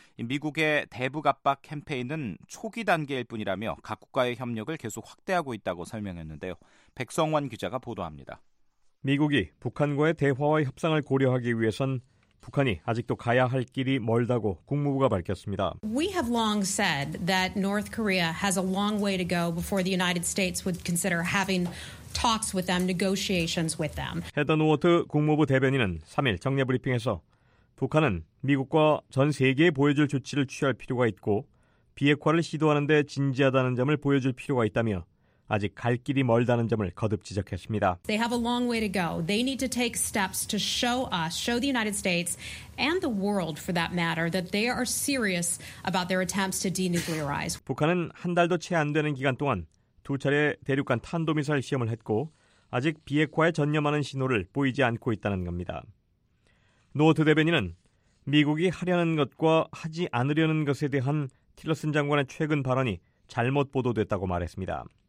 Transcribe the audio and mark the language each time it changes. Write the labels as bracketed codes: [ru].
[ko] 미국의 대북 압박 캠페인은 초기 단계일 뿐이라며 각국과의 협력을 계속 확대하고 있다고 설명했는데요. 백성원 기자가 보도합니다. 미국이 북한과의 대화와 협상을 고려하기 위해선 북한이 아직도 가야 할 길이 멀다고 국무부가 밝혔습니다. [en] We have long said that North Korea has a long way to go before the United States would consider having talks with them, negotiations with them. [ko] 헤더 노워트 국무부 대변인은 3일 정례 브리핑에서 북한은 미국과 전 세계에 보여줄 조치를 취할 필요가 있고 비핵화를 시도하는 데 진지하다는 점을 보여줄 필요가 있다며 아직 갈 길이 멀다는 점을 거듭 지적했습니다. [en] They have a long way to go. They need to take steps to show us, show the United States and the world for that matter that they are serious about their attempts to denuclearize. [ko] 북한은 한 달도 채 안 되는 기간 동안 두 차례 대륙간 탄도미사일 시험을 했고 아직 비핵화에 전념하는 신호를 보이지 않고 있다는 겁니다. 노트 대변인은 미국이 하려는 것과 하지 않으려는 것에 대한 틸러슨 장관의 최근 발언이 잘못 보도됐다고 말했습니다.